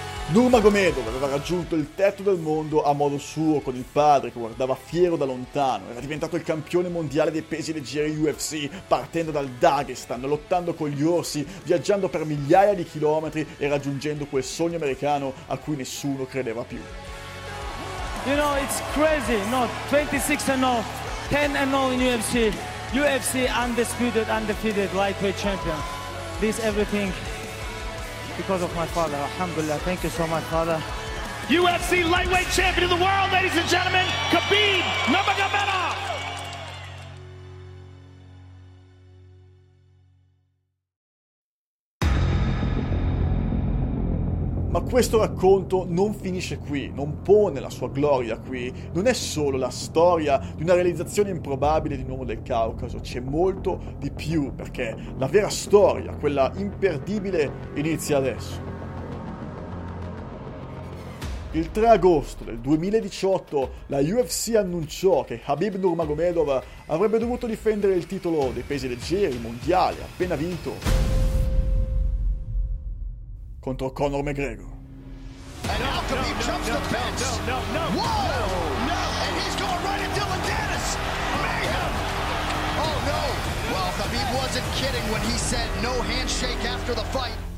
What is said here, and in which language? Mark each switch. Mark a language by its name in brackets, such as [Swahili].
[Italian] Nurmagomedov aveva raggiunto il tetto del mondo a modo suo, con il padre che guardava fiero da lontano. Era diventato il campione mondiale dei pesi leggeri UFC, partendo dal Dagestan, lottando con gli orsi, viaggiando per migliaia di chilometri e raggiungendo quel sogno americano a cui nessuno credeva più. [English] You know, it's crazy, no, 26-0, 10-0 in UFC. UFC undisputed, undefeated lightweight champion. This everything because of my father. Alhamdulillah, thank you so much, father. UFC lightweight champion of the world, ladies and gentlemen, Khabib Nurmagomedov. [Italian] Ma questo racconto non finisce qui, non pone la sua gloria qui, non è solo la storia di una realizzazione improbabile di un uomo del Caucaso, c'è molto di più, perché la vera storia, quella imperdibile, inizia adesso. Il 3 agosto del 2018 la UFC annunciò che Khabib Nurmagomedov avrebbe dovuto difendere il titolo dei pesi leggeri mondiale appena vinto contro Conor McGregor. [English] And now Khabib jumps the fence. No. And he's going right at Dylan Danis. Mayhem. Oh no. Well, Khabib wasn't kidding when he said no handshake after the fight.